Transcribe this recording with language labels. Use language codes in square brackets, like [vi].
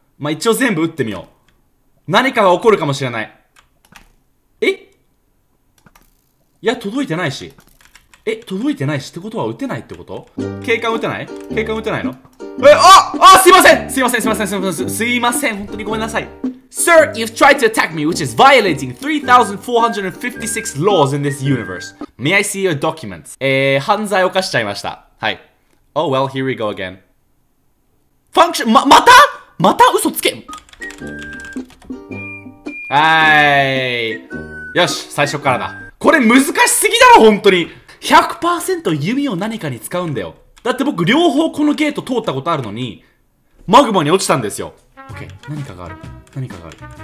[ja] まあ、一応全部打ってみよう。何かが起こるかもしれない。え?いや、届いてないし。え、届いてないしってことは打てないってこと?警官打てない?警官打てないの? え、あ、すいません!すいません、すいません、すいません、すいません、本当にごめんなさい。 [en] Sir, you've tried to attack me, which is violating 3,456 laws in this universe. May I see your documents? [ja] 犯罪を犯しちゃいました。 [en] はい。Oh well, here we go again. [ja] Function, また?また嘘つけ! はーい。よし、最初からだ。これ難しすぎだろ、本当に。 100% 弓を何かに使うんだよ。だって僕、両方このゲート通ったことあるのに、マグマに落ちたんですよ。OK、何かがある。何かがある。